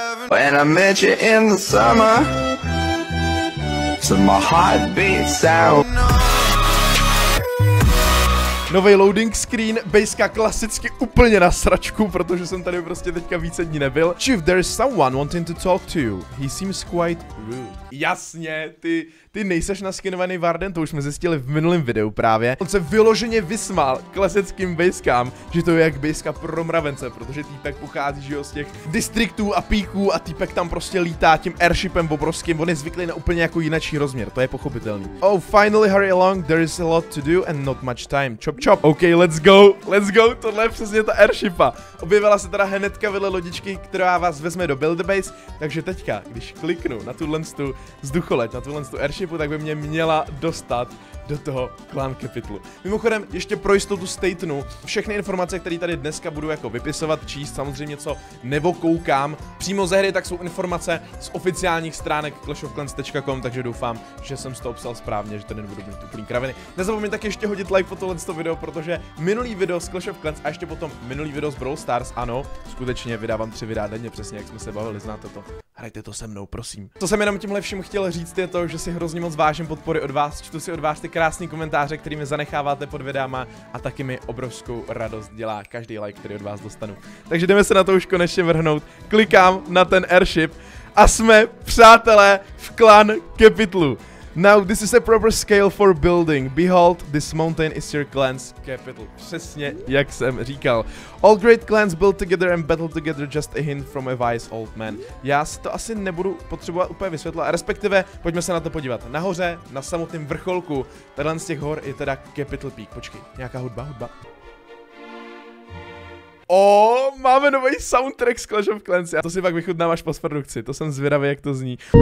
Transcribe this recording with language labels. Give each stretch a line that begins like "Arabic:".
English: When I met you in the summer, so my heart beat sound.
Czech: Novej loading screen, bejska klasicky úplně na sračku, protože jsem tady prostě teďka více dní nebyl.
English: Chief, there is someone wanting to talk to you. He seems quite rude.
Czech: Jasně, ty nejseš naskinovaný Varden, to už jsme zjistili v minulém videu právě. On se vyloženě vysmál klasickým bejskám, že to je jak bejska pro mravence, protože týpek pochází že jo, z těch distriktů a píků a týpek tam prostě lítá tím airshipem obrovským. On je zvyklý na úplně jako jinačí rozměr, to je pochopitelný.
English: Oh, finally hurry along, there is a lot to do and not much time. Chop chop.
Czech: Ok, let's go, tohle je přesně ta airshipa. Objevila se teda hnedka vedle lodičky, která vás vezme do build base, takže teďka, když kliknu na tuhle stu vzducholeď, na tuhle airshipu, tak by mě měla dostat do toho clan capitalu. Mimochodem, ještě pro jistotu statenu, všechny informace, které tady dneska budu jako vypisovat, číst, samozřejmě co nevokoukám přímo ze hry, tak jsou informace z oficiálních stránek clashofclans.com, takže doufám, že jsem to obsal správně, že tady nebudu mít úplný kraviny. Nezapomeň tak ještě hodit like po tohle video, protože minulý video z Clash of Clans a ještě potom minulý video z Brawl Stars, ano, skutečně vydávám 3 videa denně, přesně jak jsme se bavili, znáte to. Hrajte to se mnou, prosím. Co jsem jenom tímhle všem chtěl říct, je to, že si hrozně moc vážím podpory od vás, čtu si od vás ty krásný komentáře, který mi zanecháváte pod videama a taky mi obrovskou radost dělá každý like, který od vás dostanu. Takže jdeme se na to už konečně vrhnout, klikám na ten airship a jsme přátelé v clan capitalu.
English: Now this is a proper scale for building. Behold, this mountain is your clan's capital.
Czech: Přesně jak jsem říkal.
English: All great clans build together and battle together, just a hint from a wise old man.
Czech: Já si to asi nebudu potřebovat úplně vysvětlit, respektive pojďme se na to podívat. Nahoře, na samotném vrcholku, tenhle z těch hor je teda Capital Peak. Počkej, nějaká hudba. Oh, máme nový soundtrack z Clash of Clans. A to si pak vychutnám až po produkci, to jsem zvědavý, jak to zní.